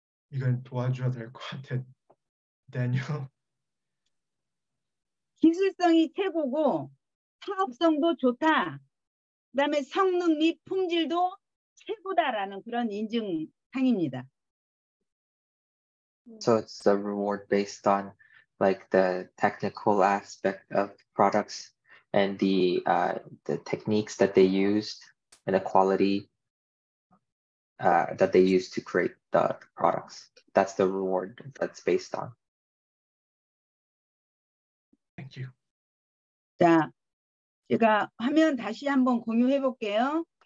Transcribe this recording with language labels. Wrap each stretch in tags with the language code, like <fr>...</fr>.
<ko>이건 도와줘야 될 것 같아, Daniel. 기술성이 최고고 사업성도 좋다. 그 다음에 성능 및 품질도 최고다라는 그런 인증상입니다.</ko> <en>So it's a reward based on like the technical aspect of products and the techniques that they used and the quality that they used to create the products. That's the reward that's based on. Thank you.</en> <ko>자, 제가 화면 다시 한번 공유해 볼게요.</ko>